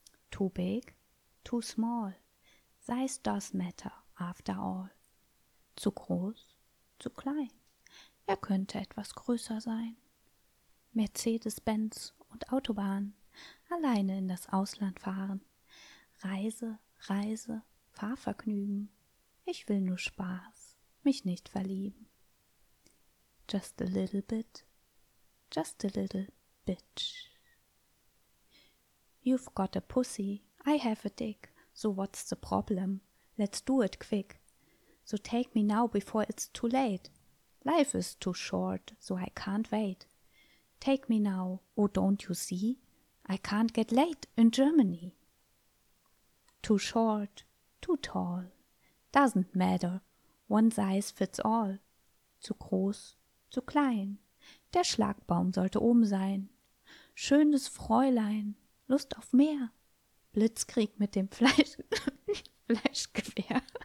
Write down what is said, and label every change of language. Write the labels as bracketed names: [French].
[English] Too big, too small, size does matter after all. [German] Zu groß, zu klein, er könnte etwas größer sein. Mercedes-Benz und Autobahn, alleine in das Ausland fahren. Reise, Reise, Fahrvergnügen, ich will nur Spaß, mich nicht verlieben. [English] Just a little bit, just a little bitch. You've got a pussy, I have a dick, so what's the problem? Let's do it quick. So take me now before it's too late. Life is too short, so I can't wait. Take me now, oh don't you see? I can't get laid in Germany. Too short, too tall, doesn't matter, one size fits all. [German] Zu groß, zu klein, der Schlagbaum sollte oben sein. Schönes Fräulein, Lust auf mehr, Blitzkrieg mit dem Fleischgewehr.